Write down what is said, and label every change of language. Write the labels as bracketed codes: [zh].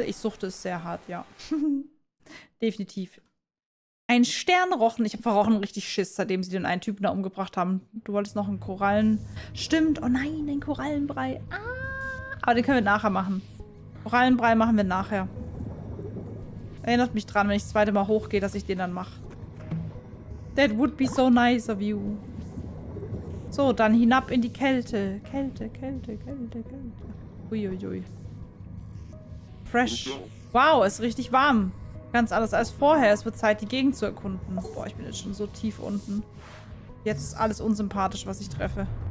[de] Ich suchte es sehr hart, ja. Definitiv. Ein Sternrochen. Ich habe verrochen richtig Schiss, seitdem sie den einen Typen da umgebracht haben. Du wolltest noch einen Korallen. Stimmt. Oh nein, ein Korallenbrei. Ah! Aber den können wir nachher machen. Korallenbrei machen wir nachher. Erinnert mich dran, wenn ich das zweite Mal hochgehe, dass ich den dann mache. [en] That would be so nice of you. [de] So, dann hinab in die Kälte. Kälte, Kälte, Kälte, Kälte. Uiuiui. Fresh. Wow, ist richtig warm. Ganz anders als vorher. Es wird Zeit, die Gegend zu erkunden. Boah, ich bin jetzt schon so tief unten. Jetzt ist alles unsympathisch, was ich treffe.